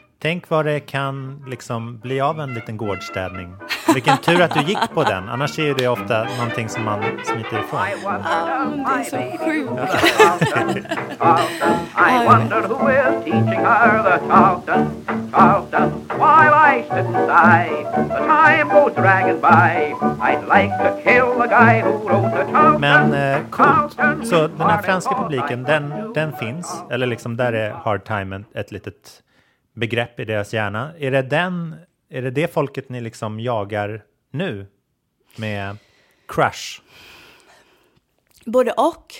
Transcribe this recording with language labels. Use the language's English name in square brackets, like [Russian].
[Swedish] Tänk vad det kan liksom bli av en liten gårdstädning. Vilken tur att du gick på den. Annars är det ofta någonting som man smiter ifrån. Ja, det är så sjukt. [English] I wonder who is teaching her the Charlton, Charlton, while I sit and sigh. The time goes dragging by. I'd like to kill the guy who wrote the Charlton. [Swedish] Men coolt. Så den här franska publiken, den finns. Eller liksom där är Hard Time ett litet begrepp i deras hjärna. Är det folket ni liksom jagar nu med Crush? Både och.